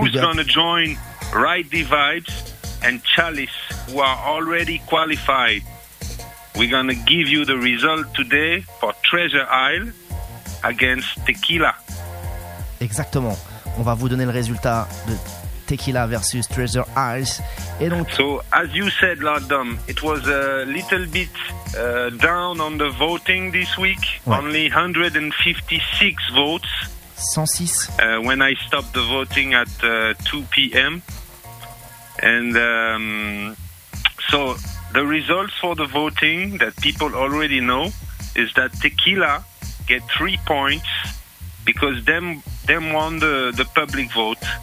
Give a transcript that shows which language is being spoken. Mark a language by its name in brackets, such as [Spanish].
[English] who's going to join Ride the Vibes and Chalice, who are already qualified. We're going to give you the result today for Treasure Isle against Tequila. [French] Exactement. On va vous donner le résultat de Tequila versus Treasure Isles. Et donc, [English] so, as you said, Lord Dom, it was a little bit down on the voting this week. [French] Ouais. [English] Only 156 votes 106. When I stopped the voting at 2 p.m. And so the results for the voting that people already know is that Tequila get 3 points because them won the public vote.